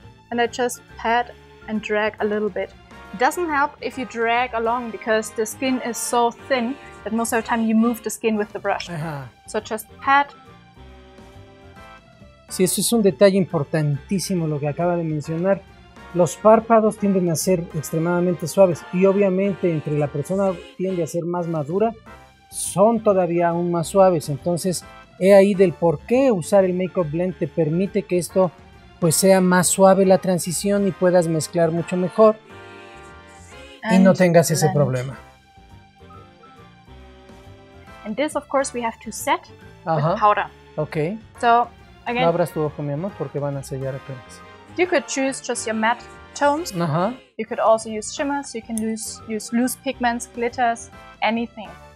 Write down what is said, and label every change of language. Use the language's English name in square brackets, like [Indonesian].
[English] and I just pat and drag a little bit. It doesn't help if you drag along because the skin is so thin that most of the time you move the skin with the brush. Uh-huh. So just pat. [Spanish] Sí, eso es un detalle importantísimo lo que acaba de mencionar. Los párpados tienden a ser extremadamente suaves y obviamente entre la persona tiende a ser más madura, son todavía aún más suaves. Entonces, he ahí del por qué usar el Makeup Blend te permite que esto pues sea más suave la transición y puedas mezclar mucho mejor y no tengas ese problema. [English] And this of course we have to set with powder. Okay. So again, [Spanish] no abras tu ojo, mi amor, porque van a sellar apenas. [English] You could choose just your matte tones. Uh-huh. You could also use shimmers, you can use loose pigments, glitters, anything.